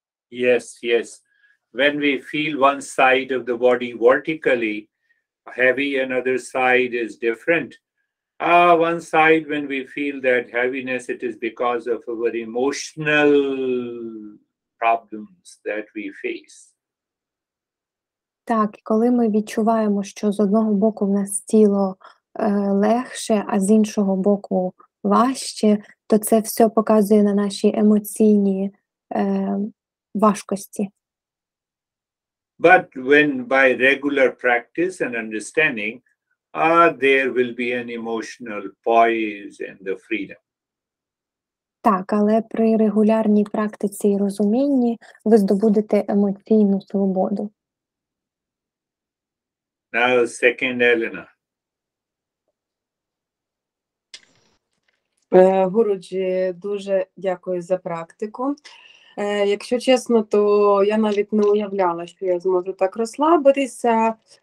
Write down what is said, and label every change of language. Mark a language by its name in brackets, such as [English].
[English] Yes, when we feel one side of the body vertically heavy, another side is different. One side, when we feel that heaviness, it is because of our emotional problems that we face. [Ukrainian] Так, коли ми відчуваємо, що з одного боку в нас тіло легше, а з іншого боку важче, то це все показує на наші емоційні важкості. [English] But when by regular practice and understanding, there will be an emotional poise and the freedom. [Ukrainian] Так, але при регулярній практиці і розумінні ви здобудете емоційну свободу. [English] Now, second, Elena. [Ukrainian] Гуруджі, дуже дякую за практику. Якщо чесно, то я навіть не уявляла, що я зможу так розслабитися.